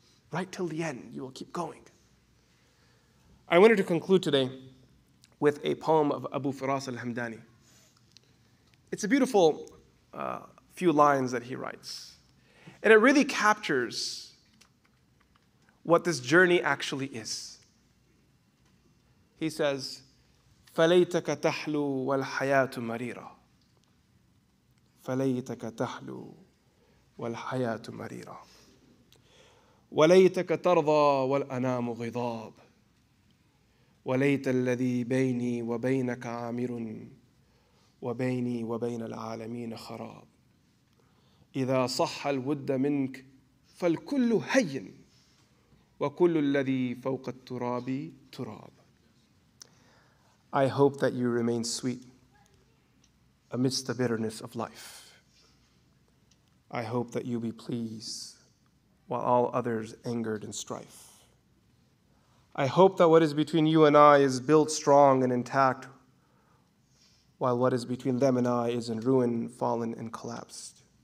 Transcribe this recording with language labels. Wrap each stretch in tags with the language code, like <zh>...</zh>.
<en>Right till the end, you will keep going. I wanted to conclude today with a poem of Abu Firas al-Hamdani. It's a beautiful few lines that he writes. And it really captures what this journey actually is. He says,</en> <ar>فَلَيْتَكَ تَحْلُو وَالْحَيَاةُ مَرِيرًا فَلَيْتَكَ تَحْلُو وَالْحَيَاةُ مَرِيرًا وَلَيْتَكَ تَرْضَى وَالْأَنَامُ غِضَابٌ وَلَيْتَ الَّذِي بَيْنِي وَبَيْنَكَ عَامِرٌ وبيني وبين العالمين خراب إذا صح الود منك فالكل هين وكل الذي فوق التراب تراب.</ar> <en>I hope that you remain sweet amidst the bitterness of life. I hope that you be pleased while all others angered in strife. I hope that what is between you and I is built strong and intact, while what is between them and I is in ruin, fallen, and collapsed.</en>